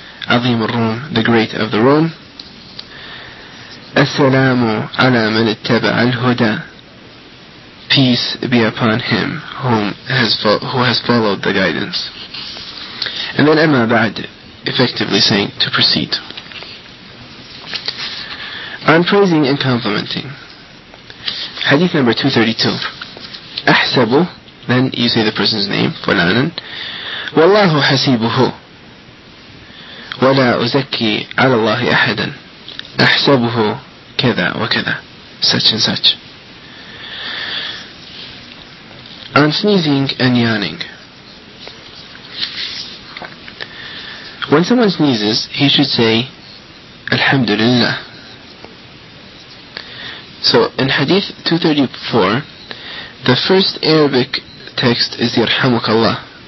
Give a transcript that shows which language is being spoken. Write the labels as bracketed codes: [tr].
[ar] عظيم الروم, [en] the great of the Rome. [ar] السلام على من اتبع الهدى, [en] peace be upon him who has followed the guidance. And then [ar] أما بعد, [en] effectively saying to proceed. On praising and complimenting. Hadith number 232. [ar] أحسبه, [en] then you say the person's name, [ar] فلانا. والله حسيبه ولا أزكي على الله أحدا. أحسبه كذا وكذا, [en] such and such. On sneezing and yawning. When someone sneezes, he should say, Alhamdulillah. So, in Hadith 234, the first Arabic text is Yarhamukallah.